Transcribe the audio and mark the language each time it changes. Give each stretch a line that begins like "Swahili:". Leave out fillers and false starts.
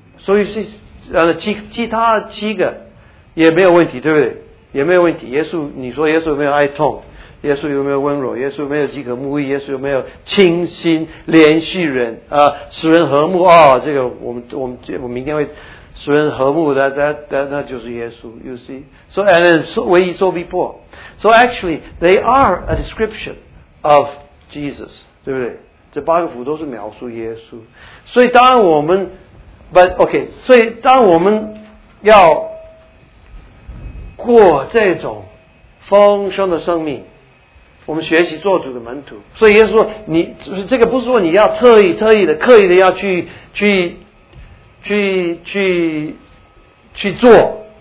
Chinese: 所以是其他七个也没有问题，对不对？也没有问题。耶稣你说耶稣有没有哀痛，耶稣有没有温柔，耶稣有没有饥渴慕义，耶稣有没有清心连续人啊，使人和睦啊、哦，这个我们明天会使人和睦的，那就是耶稣。
English: You see, so and then so,
Chinese: 唯一说
English: before, so actually they are a description of Jesus,
Chinese: 对不对？这八个福都是描述耶稣。所以当我们
English: but OK，
Chinese: 所以当我们要过这种丰盛的生命，我们学习做主的门徒。所以耶稣说，你就是这个，不是说你要特意的、刻意的要去做。